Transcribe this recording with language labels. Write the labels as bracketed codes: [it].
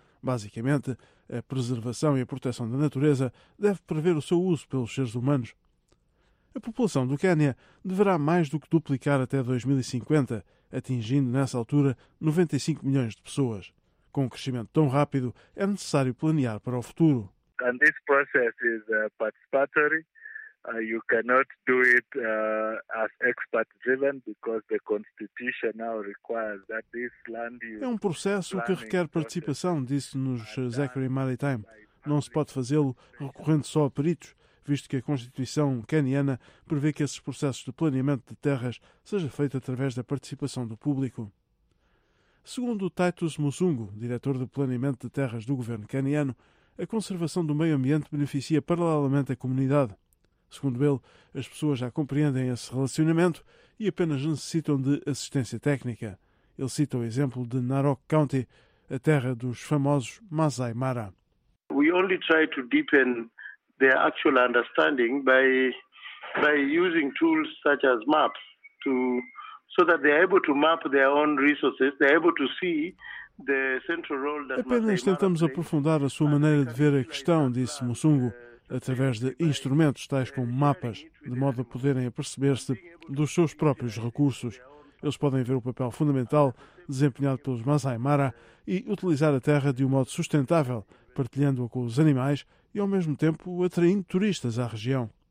[pt] Basicamente, a preservação e a proteção da natureza deve prever o seu uso pelos seres humanos. A população do Quênia deverá mais do que duplicar até 2050, atingindo nessa altura 95 milhões de pessoas. Com um crescimento tão rápido, é necessário planear para o futuro. [en] And this process is participatory. You cannot do it as expert driven because the constitution now requires that this land use. [pt] É um processo que requer participação, disse-nos Zachary Maritime. Não se pode fazê-lo recorrendo só a peritos, visto que a constituição keniana prevê que esses processos de planeamento de terras seja feito através da participação do público. Segundo Titus Musungu, diretor de planeamento de terras do governo keniano, a conservação do meio ambiente beneficia paralelamente a comunidade. Segundo ele, as pessoas já compreendem esse relacionamento e apenas necessitam de assistência técnica. Ele cita o exemplo de Narok County, a terra dos famosos Masai Mara. [en] We only try to deepen their actual understanding by using tools such as maps to so that they are able to map their own resources, they are able to see the central role that [pt] apenas tentamos aprofundar a sua maneira de ver a questão, disse Musungu. através de instrumentos tais como mapas, de modo a poderem aperceber-se dos seus próprios recursos. Eles podem ver o papel fundamental desempenhado pelos Masai Mara e utilizar a terra de um modo sustentável, partilhando-a com os animais e, ao mesmo tempo, atraindo turistas à região.